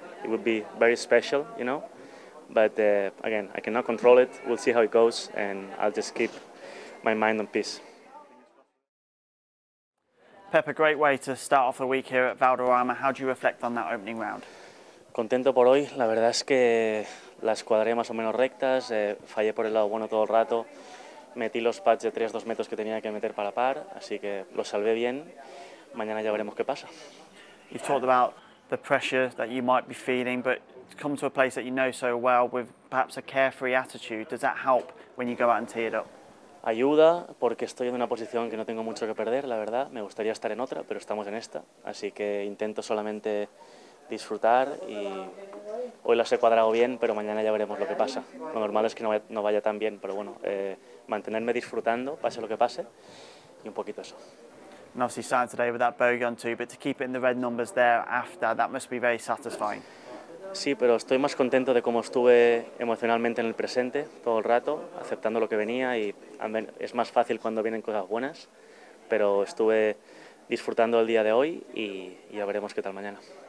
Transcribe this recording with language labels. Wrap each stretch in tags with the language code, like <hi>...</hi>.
<en>It would be very special, you know. But again, I cannot control it. We'll see how it goes, and I'll just keep my mind on peace. Pep, a great way to start off the week here at Valderrama. How do you reflect on that opening round?</en> <es>Contento por hoy. La verdad es que las cuadré más o menos rectas. Fallé por el lado bueno todo el rato. Metí los pads de 3-2 metros que tenía que meter para par. Así que lo salvé bien. Mañana ya veremos qué pasa.</es> <en>You've talked about the pressure that you might be feeling, but to come to a place that you know so well with perhaps a carefree attitude, does that help when you go out and tee it up?</en> <es>Ayuda, porque estoy en una posición que no tengo mucho que perder, la verdad. Me gustaría estar en otra, pero estamos en esta. Así que intento solamente disfrutar y hoy las he cuadrado bien, pero mañana ya veremos lo que pasa. Lo normal es que no vaya tan bien, pero bueno, mantenerme disfrutando, pase lo que pase, y un poquito eso.</es> <en>And obviously starting today with that bogey on two, but to keep it in the red numbers there after, that must be very satisfying.</en> <es>Sí, pero estoy más contento de cómo estuve emocionalmente en el presente todo el rato, aceptando lo que venía, y es más fácil cuando vienen cosas buenas, pero estuve disfrutando el día de hoy y ya veremos qué tal mañana.</es>